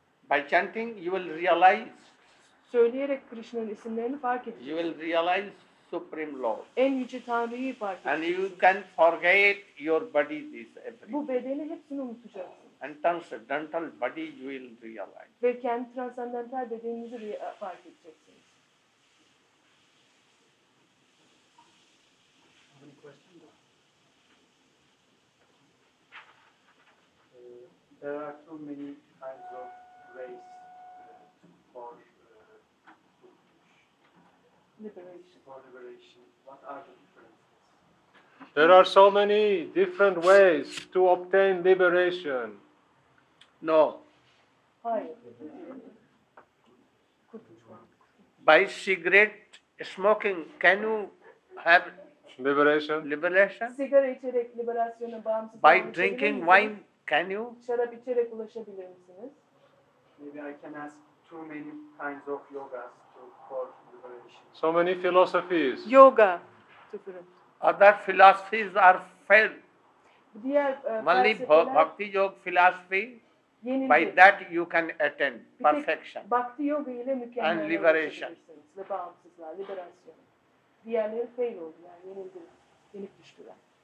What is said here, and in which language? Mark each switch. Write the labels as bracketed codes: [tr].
[en] By chanting, you will realize. [tr] Söyleyerek Krishna'nın isimlerini fark edeceksin. [en] You will realize. Supreme Lord. [tr] En yüce Tanrı'yı fark [en] And you can forget your body this everything. [tr] Bu bedeni hepsini unutacaksın. [en] And transcendental body you will realize. [tr] Ve kendi transcendental bedeninizi fark edeceksiniz. [en] There are too many kinds of ways for Liberation. What are the differences? There are so many different ways to obtain liberation. No. Hi. By cigarette smoking, can you have liberation? Liberation. [tr] Sigara içerek liberasyona bağımsız. [en] By drinking wine, can you? [tr] Şarap içerek ulaşabilir misiniz? [en] Maybe I can ask too many kinds of yogas to for. So many philosophies. Yoga. Other philosophies are failed. [tr] Diğer, [en] Only bhakti yoga philosophy, [tr] yenilgi. [en] By that you can attain perfection. [tr] Bir tek bhakti yoga ile mükemmel [en] And liberation. [tr] Ve bağımsızlığa, liberasyon. Diğerleri fail oldu yani yenildiler, yenik düştüler.